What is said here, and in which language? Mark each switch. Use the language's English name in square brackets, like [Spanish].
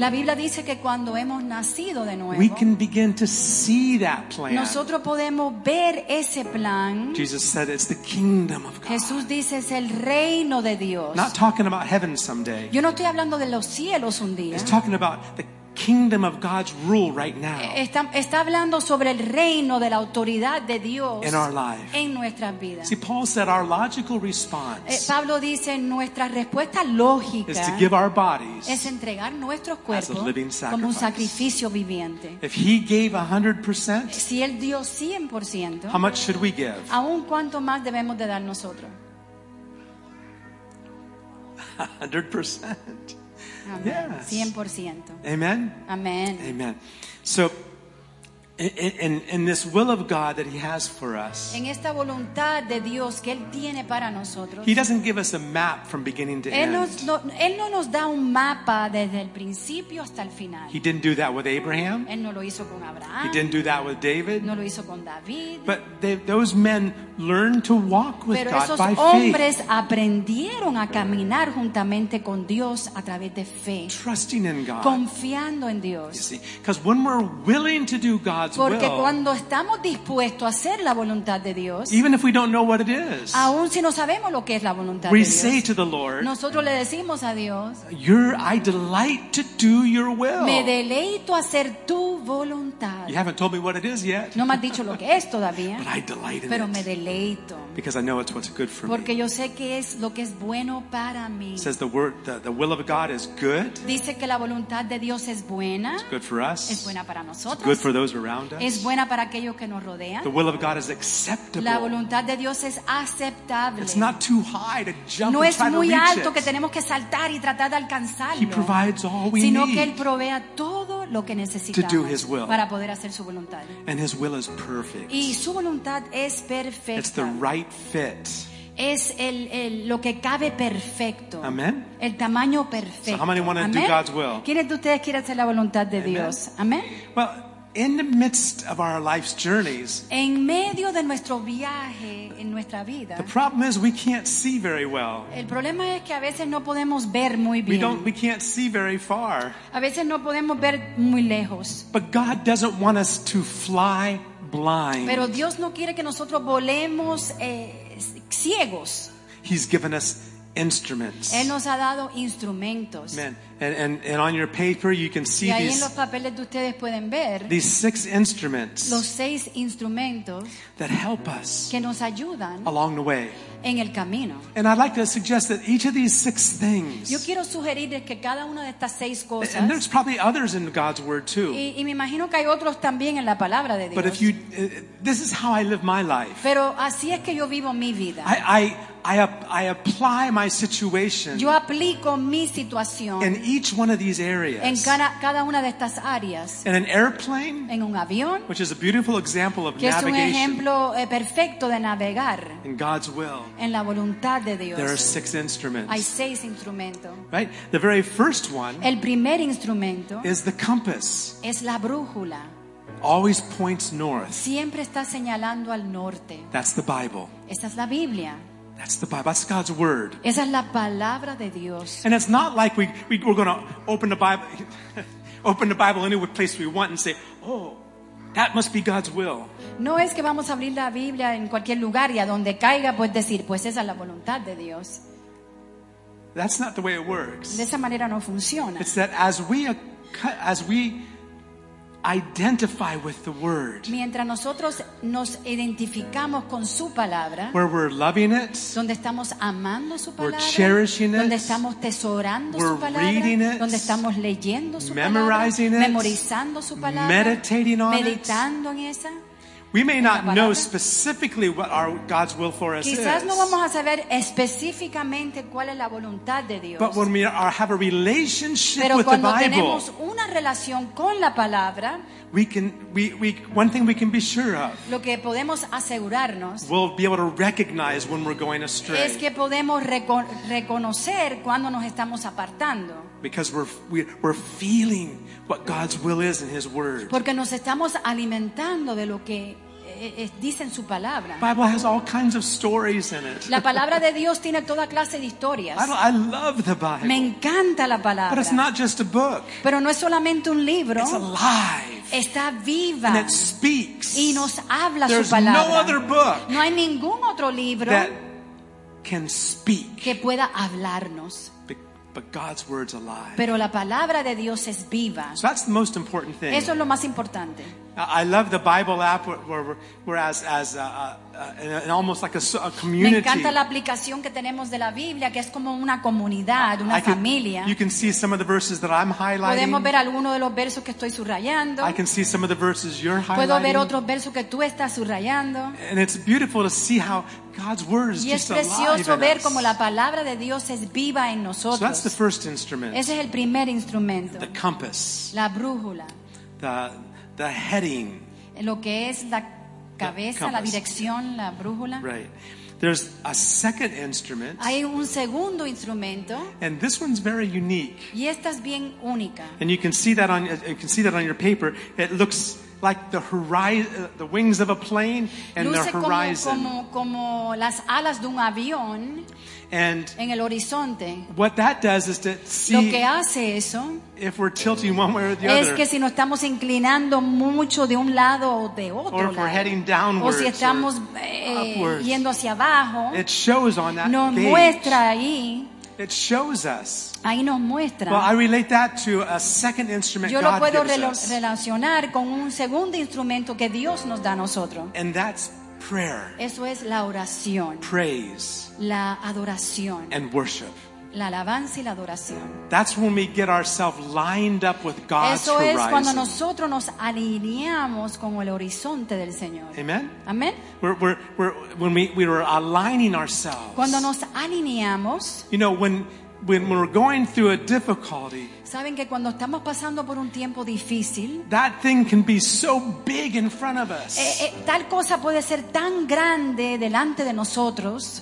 [Spanish] la Biblia dice que cuando hemos nacido de nuevo, [English] we can begin to see that plan. [Spanish] Nosotros podemos ver ese plan. [English] Jesus said it's the kingdom of God. [Spanish] Jesús dice es el reino de Dios. [English] Not talking about heaven someday. [Spanish] Yo no estoy hablando de los cielos un día. [English] He's talking about the kingdom of God's rule right now. [Spanish] Está hablando sobre el reino de la autoridad de Dios [English] in our life. [Spanish] En nuestras vidas. [English] See, Paul said our logical response [Spanish] Pablo dice nuestra respuesta lógica [English] is to give our bodies [Spanish] es entregar nuestros cuerpos [English] as a living sacrifice. [Spanish] Como un sacrificio viviente. [English] If he gave 100%, [Spanish] si él dio 100%, [English] how much should we give? [Spanish] ¿Aún cuánto más debemos de dar nosotros? [English] 100%. Amen. Amen. Amen. So, in this will of God that He has for us, [Spanish] en esta voluntad de Dios que Él tiene para nosotros, [English] He doesn't give us a map from beginning to [Spanish] Él no nos da un mapa desde el principio hasta el final. [English] He didn't do that with Abraham. [Spanish] Él no lo hizo con Abraham. [English] He didn't do that with David. [Spanish] No lo hizo con David. [English] But those men learned to walk with [Spanish] Pero [English] God [Spanish] esos [English] by [Spanish] hombres [English] faith. [Spanish] Aprendieron a caminar juntamente con Dios a través de fe. [English] Trusting in God. [Spanish] Confiando en Dios. [English] Because when we're willing to do God's [Spanish] Porque [English] will, [Spanish] cuando estamos dispuestos a hacer la voluntad de Dios, [English] even if we don't know what it is, [Spanish] aún si no sabemos lo que es la voluntad [English] we [Spanish] de Dios, [English] say to the Lord, [Spanish] nosotros le decimos a Dios, [English] I delight to do your will. [Spanish] Me deleito a hacer tu voluntad. [English] You haven't told me what it is yet. [Spanish] No me has dicho lo que es todavía, [English] but I delight in [Spanish] pero [English] it. [Spanish] Me deleito. [English] Because I know it's what's good for [Spanish] Porque [English] me. [Spanish] Yo sé que es lo que es bueno para mí. [English] It says the word, the will of God is good. [Spanish] Dice que la voluntad de Dios es buena. [English] It's good for us. [Spanish] Es buena para nosotros. [English] It's good for those around us. [Spanish] Es buena para aquellos que nos rodean. [English] The will of God is acceptable. [Spanish] La voluntad de Dios es aceptable. [English] It's not too high to jump and try to reach it. [Spanish] No es muy alto que tenemos que saltar y tratar de alcanzarlo. [English] He provides all we [Spanish] sino [English] need. [Spanish] Sino que Él provea todo lo que necesitamos [English] to do His will. [Spanish] Para poder hacer su voluntad. [English] And His will is perfect. [Spanish] Y su voluntad es perfecta. [English] It's the right fit. [Spanish] Es el lo que cabe perfecto. [English] Amen. [Spanish] El tamaño perfecto. [English] So how many want to [Spanish] Amen. [English] Do God's will? [Spanish] ¿Quiénes de ustedes quieren hacer la voluntad de [English] Amen. [Spanish] Dios? Amen. [English] Well, in the midst of our life's journeys, [Spanish] en medio de nuestro viaje en nuestra vida, [English] the problem is we can't see very well. [Spanish] El problema es que a veces no podemos ver muy bien. [English] We can't see very far. [Spanish] A veces no podemos ver muy lejos. [English] But God doesn't want us to fly blind. [Spanish] Pero Dios no quiere que nosotros volemos ciegos. [English] He's given us instruments. [Spanish] Él nos ha dado instrumentos. [English] Amen. And on your paper you can see [Spanish] y ahí [English] these, [Spanish] en los papeles de ustedes pueden ver [English] these six instruments [Spanish] los seis instrumentos [English] that help us [Spanish] que nos ayudan [English] along the way. [Spanish] En el camino. [English] And I'd like to suggest that each of these six things [Spanish] yo quiero sugerirles que cada una de estas seis cosas [English] and there's probably others in God's word too [Spanish] y me imagino que hay otros también en la palabra de Dios [English] but if you this is how I live my life [Spanish] pero así es que yo vivo mi vida [English] I apply my situation [Spanish] yo aplico mi situación [English] in each one of these areas [Spanish] en cada una de estas áreas [English] in an airplane [Spanish] en un avión [English] which is a beautiful example of [Spanish] que [English] navigation [Spanish] es un ejemplo perfecto de navegar [English] in God's will [Spanish] en la voluntad de Dios [English] there are six instruments [Spanish] hay seis instrumentos [English] right the very first one [Spanish] el primer instrumento [English] is the compass [Spanish] es la brújula [English] always points north [Spanish] siempre está señalando al norte [English] that's the Bible [Spanish] esa es la Biblia [English] That's the Bible. That's God's word. [Spanish] Esa es la palabra de Dios. [English] And it's not like we're going to open the Bible any place we want and say, "Oh, that must be God's will." [Spanish] No es que vamos a abrir la Biblia en cualquier lugar y a donde caiga pues decir, "Pues esa es la voluntad de Dios." [English] That's not the way it works. [Spanish] De esa manera no funciona. [English] It's that as we identify with the word. [Spanish] Mientras nosotros nos identificamos con su palabra. [English] Where we're loving it. [Spanish] Donde estamos amando su palabra. [English] We're cherishing it. [Spanish] Donde estamos tesorando [English] we're [Spanish] su palabra. [English] We're reading it. [Spanish] Donde estamos leyendo su [English] memorizing Memorizing it. [Spanish] Memorizando su palabra. [English] Meditating on [Spanish] meditando Meditando en esa. [English] We may not know specifically what our God's will for us [Spanish] Quizás [English] is. [Spanish] Quizás no vamos a saber específicamente cuál es la voluntad de Dios. [English] But when we have a relationship [Spanish] Pero [English] with the Bible, [Spanish] tenemos una relación con la palabra, [English] we can one thing we can be sure of. [Spanish] Lo que podemos asegurarnos, [English] we'll be able to recognize when we're going astray. [Spanish] Es que podemos reconocer cuando nos estamos apartando. [English] Because we're feeling what God's will is in His Word. [Spanish] Porque nos estamos alimentando de lo que dice en su palabra. [English] The Bible has all kinds of stories in it. [Spanish] La palabra de Dios tiene toda clase de historias. [English] I love the Bible. [Spanish] Me encanta la palabra. [English] But it's not just a book. [Spanish] Pero no es solamente un libro. [English] It's alive. [Spanish] Está viva. [English] And it speaks. [Spanish] Y nos habla [English] There's [Spanish] su palabra. [English] No other book. [Spanish] No hay ningún otro libro [English] that can speak. [Spanish] Que pueda hablarnos. [English] But God's word's alive. [Spanish] Pero la palabra de Dios es viva. [English] So that's the most important thing. [Spanish] Eso es lo más importante. [English] I love the Bible app where as an almost like a community. [Spanish] Me encanta la aplicación que tenemos de la Biblia, que es como una comunidad, una familia. [English] You can see some of the verses that I'm highlighting. [Spanish] Podemos ver algunos de los versos que estoy subrayando. [English] I can see some of the verses you're highlighting. [Spanish] Puedo ver otros versos que tú estás subrayando. [English] And it's beautiful to see how God's word is just alive. [Spanish] Y es precioso ver cómo la palabra de Dios es viva en nosotros. [English] So that's the first instrument. [Spanish] Ese es el primer instrumento. [English] The compass. [Spanish] La brújula. [English] The heading. [Spanish] Lo que es la cabeza, la dirección, la brújula. [English] Right. There's a second instrument. [Spanish] Hay un segundo instrumento. [English] And this one's very unique. [Spanish] Y esta es bien única. [English] And you can see that on your paper. It looks like the horizon, the wings of a plane and [Spanish] luce [English] the horizon. [Spanish] Como las alas de un avión en el horizonte. [English] What that does is to see [Spanish] lo que hace eso, [English] if we're tilting one way or the other. [Spanish] Es que si nos estamos inclinando mucho de un lado o de otro, [English] or if we're heading downwards, [Spanish] o si estamos yendo hacia abajo, [English] it shows on that [Spanish] nos [English] gauge. [Spanish] Muestra ahí. [English] It shows us. [Spanish] Ahí nos muestra. [English] Well, I relate that to a second instrument God gives us. [Spanish] Yo lo puedo relacionar con un segundo instrumento que Dios nos da a nosotros. [English] And that's prayer. [Spanish] Eso es la oración. [English] Praise. [Spanish] La adoración. [English] And worship. [Spanish] La alabanza y la adoración. [English] That's when we get ourselves lined up with God's horizon. [Spanish] Eso es cuando nosotros nos alineamos con el horizonte del Señor. [English] Amen. [Spanish] Amen. [English] When we're aligning ourselves. [Spanish] Cuando nos alineamos. [English] You know, when we're going through a difficulty. [Spanish] Saben que cuando estamos pasando por un tiempo difícil, [English] that thing can be so big in front of us. [Spanish] Tal cosa puede ser tan grande delante de nosotros.